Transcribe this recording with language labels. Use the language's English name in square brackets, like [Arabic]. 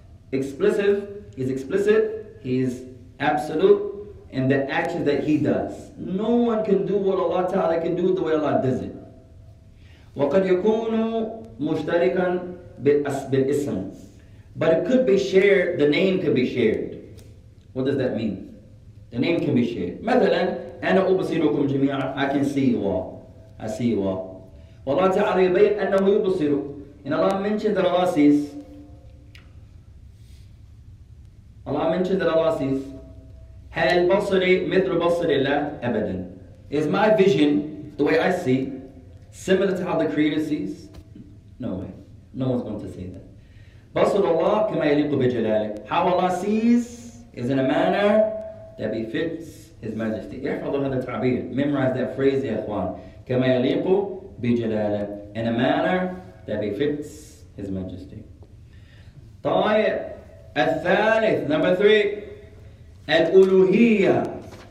[English] explicit He's explicit He's absolute in the actions that he does No one can do what Allah Ta'ala can do the way Allah does it [Arabic] وقد يكون مشتركا بالاسم [English] But it could be shared, the name could be shared. What does that mean? The name can be shared. [Arabic] مثلاً, أنا أبصيركم جميعاً, [English] I can see you all. I see you all. [Arabic] والله تعالى يبين أنه يبصر. [English] And Allah mentioned that Allah sees. Allah mentioned that Allah sees. [Arabic] هل بصري مثل بصري الله أبداً. [English] Is my vision, the way I see, similar to how the Creator sees? No way. No one's going to say that. [Arabic] بصر الله كما يليق بجلاله. [English] How Allah sees is in a manner that befits His Majesty. [Arabic] احفظوا هذا التعبير. [English] Memorize that phrase [Arabic] يا إخوان. كما يليق بجلاله. [English] In a manner that befits His Majesty. [Arabic] طيب. الثالث. [English] Number three. [Arabic] الألوهية.